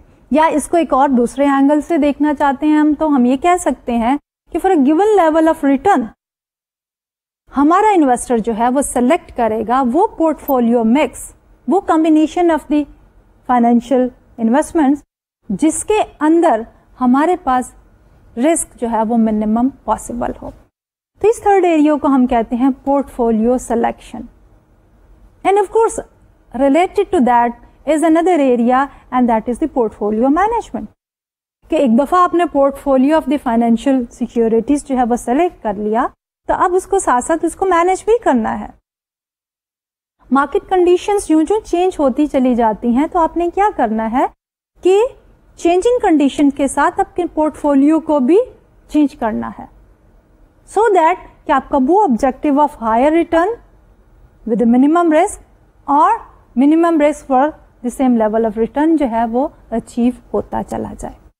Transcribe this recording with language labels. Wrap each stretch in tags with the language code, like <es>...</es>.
<ur>یا اس کو ایک اور دوسرے اینگل سے دیکھنا چاہتے ہیں ہم, تو ہم یہ کہہ سکتے ہیں کہ</ur> <en>for a given level of return</en> <ur>ہمارا انویسٹر جو ہے وہ سلیکٹ کرے گا وہ پورٹ فولیو مکس, وہ</ur> <en>combination of the financial investments</en> <ur>جس کے اندر ہمارے پاس رسک جو ہے وہ منیمم پاسبل ہو. تو اس تھرڈ ایریا کو ہم کہتے ہیں port folio selection.</ur> <en>And of course related to that is another area and that is the portfolio management.</en> <ur>کہ ایک دفعہ آپ نے</ur> <en>portfolio of the financial securities</en> <ur>جو ہے وہ سلیکٹ کر لیا تو اب اس کو ساتھ ساتھ اس کو مینج بھی کرنا ہے. مارکیٹ کنڈیشنز یوں جو چینج ہوتی چلی جاتی ہیں تو آپ نے کیا کرنا ہے کہ چینجنگ کنڈیشن کے ساتھ آپ کے پورٹ فولیو کو بھی چینج کرنا ہے</ur> <en>so that</en> <ur>کہ آپ کا وہ</ur> <en>objective of higher return with a minimum risk اور minimum risk for the same level of return</en> <ur>جو ہے وہ اچیو ہوتا چلا جائے.</ur>